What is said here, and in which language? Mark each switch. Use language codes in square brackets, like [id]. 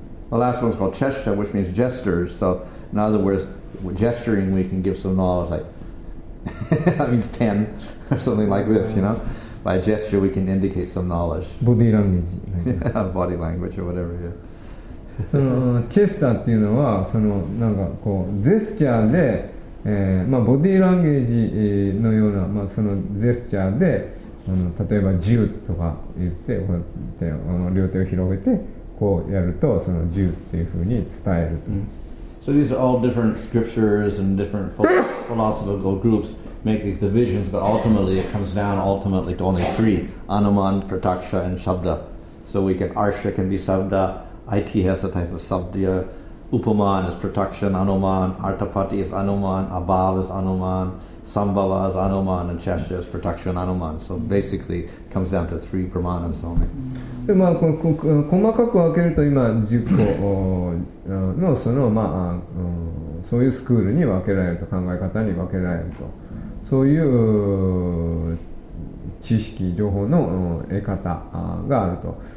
[en] The last one is called Cheshta, which means gestures. So in other words, gesturing we can give some knowledge like that means 10 or something like this, you know. By gesture we can indicate some knowledge. Body language. Body language or whatever, yeah. [ja] そのチェスターっていうのはそのなんかこうジェスチャーで、まあ、ボディーランゲージのような、まあ、そのジェスチャーで例えば銃とか言ってこうやって両手を広げてこうやるとその銃っていうふうに伝えると、 [en] So these are all different scriptures and different philosophical groups make these divisions, but ultimately it comes down ultimately to only three: anuman, pratyaksha, and shabda. So we can arsha can be shabda. IT has a type of sabdhya, upaman is production, anuman, artapati is anuman, abhav is anuman, sambhava is anuman, and chashya is production, anuman. So basically, it comes down to three pramanas only. [ja] で、まあ、細かく分けると今10個のその、まあ、そういうスクールに分けられると、考え方に分けられると。そういう知識、情報の得方があると。